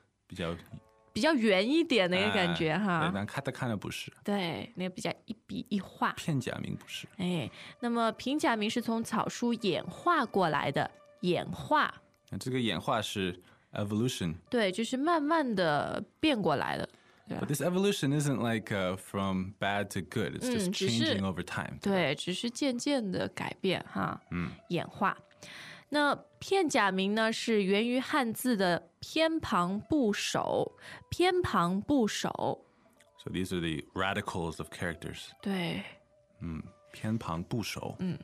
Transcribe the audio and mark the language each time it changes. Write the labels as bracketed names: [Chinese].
[Chinese] 比较圆一点的一个感觉哈，但 katakana 不是，对，那个比较一笔一画，片假名不是。哎，那么平假名是从草书演化过来的，演化。这个演化是 evolution，对，就是慢慢的变过来的。 [English] But this evolution isn't like from bad to good; it's just changing over time. [Chinese] 对，只是渐渐的改变哈，演化。那片假名呢，是源于汉字的偏旁部首，偏旁部首。 [English] So these are the radicals of characters. [Chinese] 对。偏旁部首。